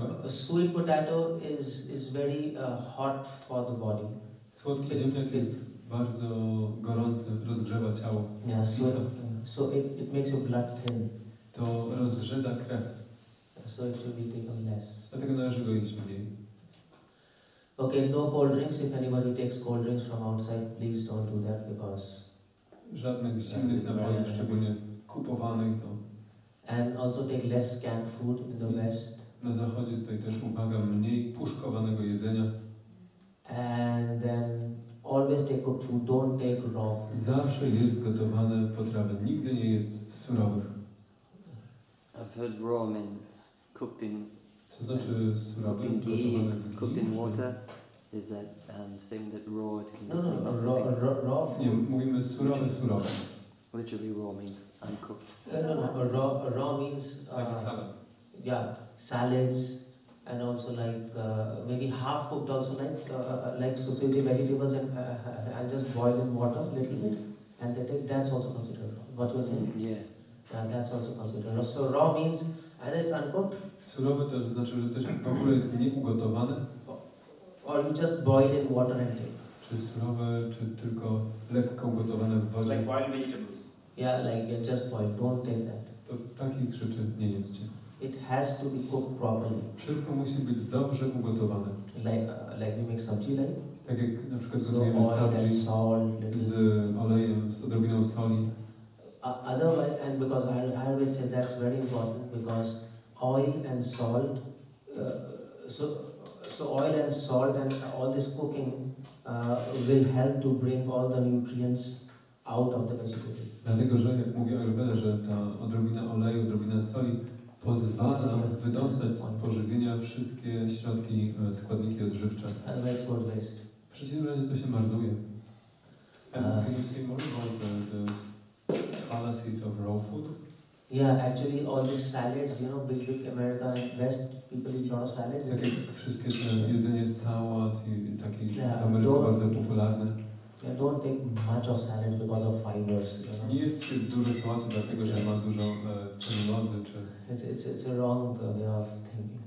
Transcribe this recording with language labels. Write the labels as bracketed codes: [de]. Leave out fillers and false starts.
[en] Sweet potato is very hot for the body. [pl] Słodki ziemniak jest bardzo gorący, rozgrzewa ciało. [en] Yeah, so it makes your blood thin. [pl] To rozrzedza krew. [en] So it should be taken less. [pl] Dlatego należy go jeść mniej. [en] Okay, no cold drinks. If anybody takes cold drinks from outside, please don't do that because... [pl] Żadnych zimnych napojów, szczególnie kupowanych, to... [en] And also take less canned food in the West. [pl] Na zachodzie tutaj też uwaga, mniej puszkowanego jedzenia. [en] And then always take cooked food, don't take raw food. [pl] Zawsze jedz gotowane potrawy, nigdy nie jedz surowych. [en] I've heard raw means cooked in... [pl] Co znaczy surowy, [en] cooked in water? Is that saying that raw it can just be... No, raw food. [pl] Nie, mówimy surowe. [en] Literally raw means uncooked. No. Raw means like salad. Yeah, salads and also like maybe half cooked also like sofrité vegetables and just boil in water a little bit and that's also considered raw. What was it? Yeah. And that's also considered raw. So raw means either it's uncooked. [pl] Surowe to znaczy, że coś w ogóle jest nieugotowane. [en] Or you just boil in water and take. [pl] Czy surowe, czy tylko lekko ugotowane w wodzie? [en] Like boiled vegetables. Yeah, like just boiled. Don't take that. [pl] To takich rzeczy nie jedzcie. [en] It has to be cooked properly. [pl] Wszystko musi być dobrze ugotowane. [en] Like we make sabji, like? [pl] Tak jak na przykład zrobimy sabji z olejem, z odrobiną soli. [en] Otherwise, and because I will say that's very important, because oil and salt, so oil and salt and all this cooking, will help to bring all the nutrients out of the vegetable. [pl] Dlatego, że jak mówię Ayurveda, że ta odrobina oleju, odrobina soli pozwala wydostać z pożywienia wszystkie środki, składniki odżywcze. W przeciwnym razie to się marnuje. [en] Can you say more about the fallacies of raw food? Yeah, actually all these salads, you know, big America and West, people eat a lot of salads. [pl] Tak jak wszystkie te jedzenie sałat i takie w Ameryce bardzo popularne. [en] Yeah, don't take much of salad because of fibers. You know? [pl] Nie jest dużo sałaty dlatego, że ma dużo celulozy czy... [en] It's a wrong way of thinking.